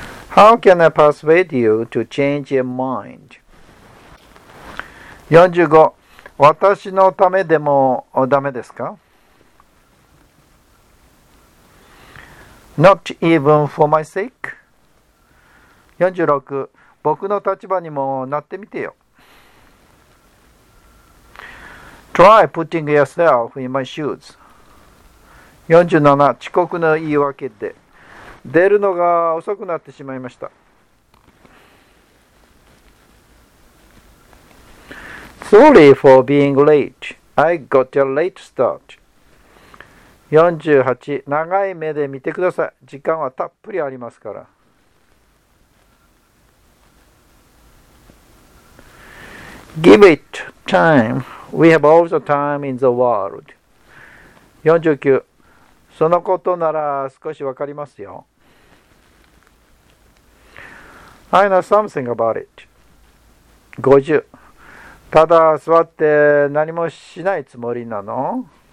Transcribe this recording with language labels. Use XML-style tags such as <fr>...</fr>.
<en>How can I persuade you to change your mind? 45.</en> <ja>私のためでもダメですか？</ja> <en>Not even for my sake. 46.</en> <ja>僕の立場にもなってみてよ。</ja> <en>Try putting yourself in my shoes. 47.</en> <ja>遅刻の言い訳で。出るのが遅くなってしまいました。</ja> <en>Sorry for being late. I got a late start. 48.</en> <ja>長い目で見てください。時間はたっぷりありますから。</ja> <en>Give it time. We have all the time in the world. 49.</en> <ja>そのことなら少しわかりますよ。</ja> <en>I know something about it. 50.</en> <ja>ただ座って何もしないつもりなの？</ja>